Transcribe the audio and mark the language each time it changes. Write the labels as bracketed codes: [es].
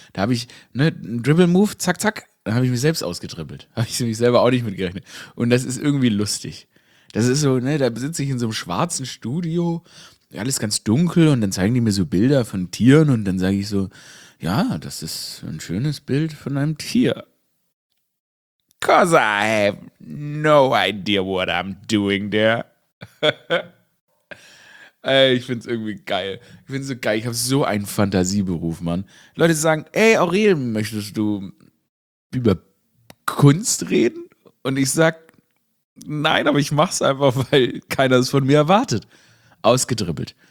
[de] Da habe ich, ne, einen Dribble-Move, zack, zack, dann habe ich mich selbst ausgedribbelt. Habe ich mich selber auch nicht mitgerechnet. Und das ist irgendwie lustig. Das ist so, ne, da sitze ich in so einem schwarzen Studio, alles ganz dunkel, und dann zeigen die mir so Bilder von Tieren und dann sage ich so, ja, das ist ein schönes Bild von einem Tier. [en] 'Cause I have no idea what I'm doing there. [de] Ich find's irgendwie geil. Ich find's so geil, ich habe so einen Fantasieberuf, Mann. Leute sagen, ey, Aurel, möchtest du über Kunst reden? Und ich sag, nein, aber ich mach's einfach, weil keiner es von mir erwartet. Ausgedribbelt.